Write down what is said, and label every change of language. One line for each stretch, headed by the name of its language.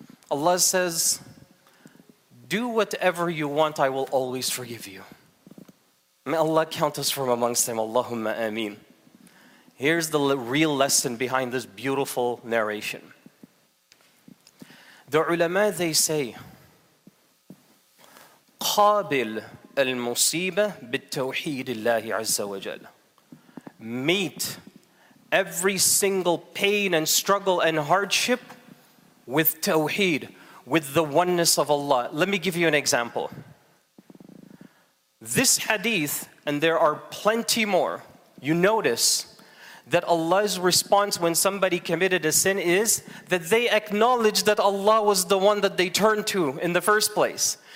English: Allah says, do whatever you want, I will always forgive you. May Allah count us from amongst them. Allahumma ameen. Here's the real lesson behind this beautiful narration. The ulama, they say,
Arabic: قابل المصيبة بالتوحيد الله عز وجل.
English: Meet every single pain and struggle and hardship with tawheed, with the oneness of Allah. Let me give you an example. This hadith, and there are plenty more, you notice that Allah's response when somebody committed a sin is that they acknowledge that Allah was the one that they turned to in the first place.